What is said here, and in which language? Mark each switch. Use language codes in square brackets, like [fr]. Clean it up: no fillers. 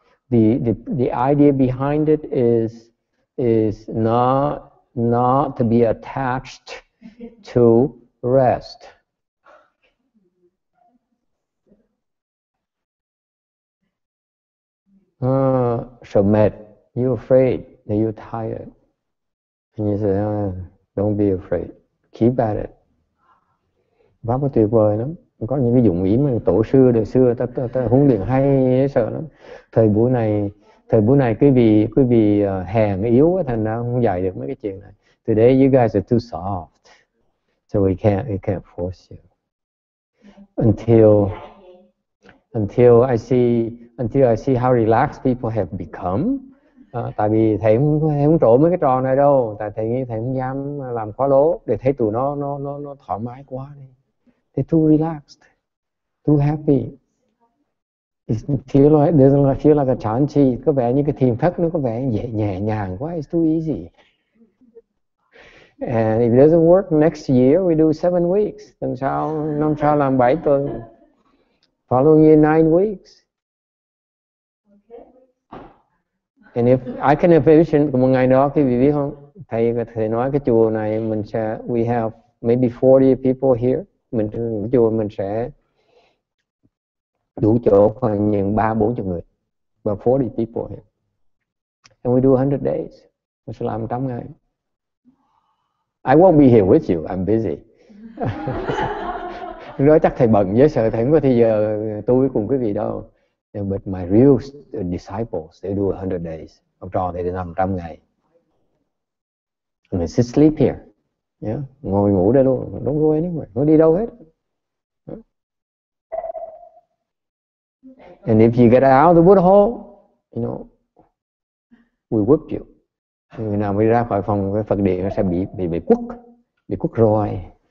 [en] The idea behind it is not to be attached to rest. So mad, you're afraid, then you're tired. And you say, don't be afraid, keep at it. [vi] Pháp tuyệt vời lắm. Có những cái dụng ý mà tổ sư đời xưa ta huấn luyện hay dễ sợ lắm. Thời buổi này quý vị hèn yếu, thành ra không dạy được mấy cái chuyện này. [en] Today you guys are too soft. So we can't force you. Until I see how relaxed people have become. [vi] Tại vì thầy không trổ mấy cái trò này đâu, tại thầy nghĩ thầy không dám làm quá lố để thấy tụi nó thoải mái quá đi. [en] They're too relaxed, too happy. It doesn't feel like a chán chi. [vi] Có vẻ như cái thiền thất nó có vẻ nhẹ nhàng quá. [en] It's too easy. And if it doesn't work, next year we do 7 weeks. [vi] Lần sau, năm sau làm 7 tuần. [en] Following year, 9 weeks. And if I can envision, [vi] một ngày đó, quý vị biết không? Thầy nói cái chùa này, mình sẽ, [en] we have maybe 40 people here. [vi] Mình chùa mình sẽ đủ chỗ khoảng những 30-40 người. [en] About 40 people here. And we do 100 days. [vi] Mình sẽ làm 100 ngày. [en] I won't be here with you. I'm busy. [vi] Nói chắc thầy bận, với sợ thầy không có thời giờ tôi cùng quý vị đâu. [en] Yeah, but my real disciples, they do 100 days. [vi] Học trò thì 100 ngày. [en] And they sit sleep here. [vi] Yeah, ngồi ngủ đây luôn. [en] Don't go anywhere. [vi] Không đi đâu hết. Huh? [en] And if you get out of the wood hole, you know, we whip you. [vi] Người nào mới ra khỏi phòng cái Phật điện sẽ bị quất roi.